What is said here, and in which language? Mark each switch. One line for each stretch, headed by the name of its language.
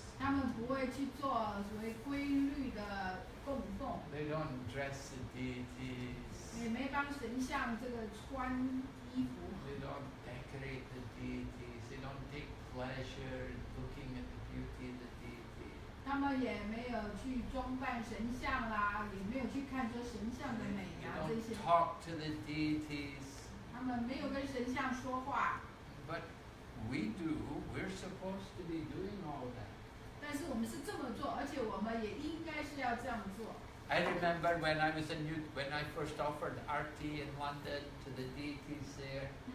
Chinese: 他们不会去做所谓规律的供奉。
English: They don't dress the deities.
Chinese: 也没帮神像这个穿衣服。
English: They don't decorate the deities. They don't take pleasure in looking at the beauty of the deity.
Chinese: 他们也没有去装扮神像啦，也没有去看说神像的美呀这些。
English: They don't talk to the deities.
Chinese: 他们没有跟神像说话。
English: But we do. We're supposed to be doing all that.
Chinese: 但是我们是这么做，而且我们也应该是要这样做。
English: I remember when I was in New, when I first offered arti in London to the deities there.